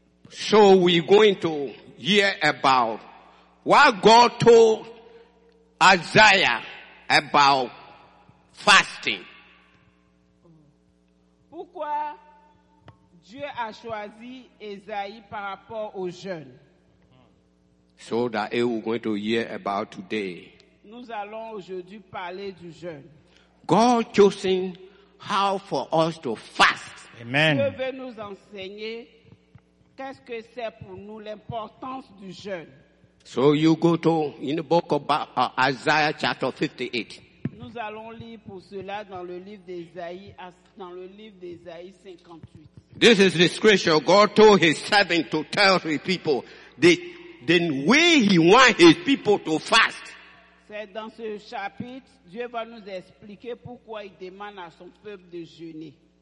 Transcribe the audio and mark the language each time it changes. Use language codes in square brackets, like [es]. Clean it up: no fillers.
[en] So we're going to hear about what God told Isaiah about fasting. [fr] Pourquoi Dieu a choisi Isaïe par rapport au jeûne? [en] So that we're going to hear about today. [fr] Nous allons aujourd'hui parler du jeûne. [en] God choosing how for us to fast. Amen. [fr] Dieu veut nous enseigner qu'est-ce que c'est pour nous l'importance du jeûne. [en] So you go to in the book of Isaiah chapter 58. [fr] Nous allons lire pour cela dans le livre d'Isaïe, dans le livre d'Isaïe 58. [en] This is the scripture God told his servant to tell his people the way he wants his people to fast. [fr] C'est dans ce chapitre, Dieu va nous expliquer pourquoi il demande à son peuple de jeûner.